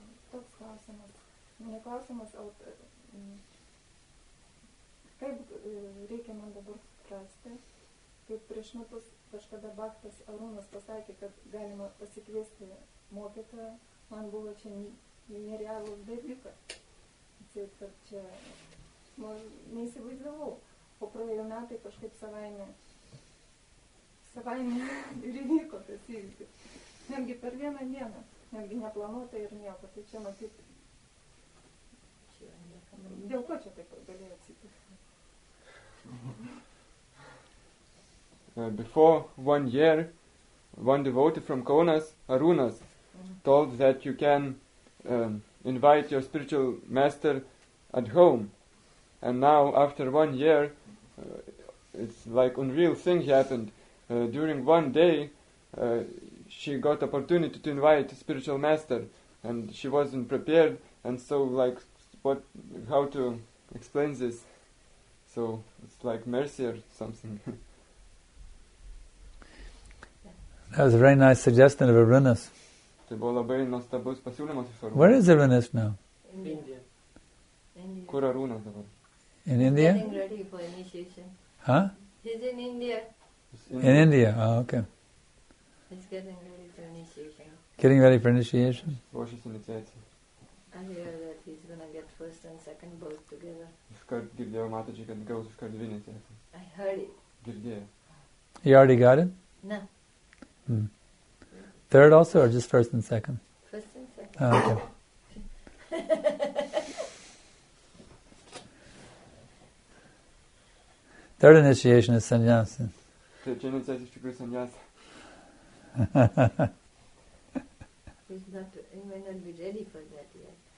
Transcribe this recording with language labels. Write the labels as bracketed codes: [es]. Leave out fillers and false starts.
[lt] Klausimas, kaip reikia man dabar suprasti, kaip prieš metus kažkada Bhaktas Arūnas pasakė, kad galima pasikviesti mokytoją, man buvo čia nerealus dalykas, kad čia neįsivaizdavau, o praėjo metai kažkaip savaime ir įvyko tas įvykis, netgi per vieną dieną, netgi neplanuota ir nieko, tai čia matyt, dėl ko čia taip galėjo. [en] Before 1 year, one devotee from Kaunas, Arūnas, told that you can invite your spiritual master at home. And now, after 1 year, it's like unreal thing happened. During one day, she got opportunity to invite spiritual master, and she wasn't prepared, and so, like, what, how to explain this? So it's like mercy or something. That was a very nice suggestion of Arūnas. [lt] Tai buvo labai nuostabus pasiūlymas iš Arūnas. [en] Where is Arūnas now? India. [lt] Kur Arūnas dabar? [en] In India? He's getting ready for initiation. Huh? He's in India. In India, He's getting ready for initiation. Getting ready for initiation? [lt] Ruošiasi initiacijai. [en] I hear that he's going to get first and second both together. [lt] Iškart girdėjau, matočiai, kad gaus iškart dvi netiesą. [en] I heard it. [lt] Girdėjau. [en] You already got it? No. Hmm. Third also or just first and second? First and second. Oh, okay. Third initiation is sannyasa. [lt] Trečia iniciacija iš tikrųjų sannyasa. [en] He may not be ready for that yet.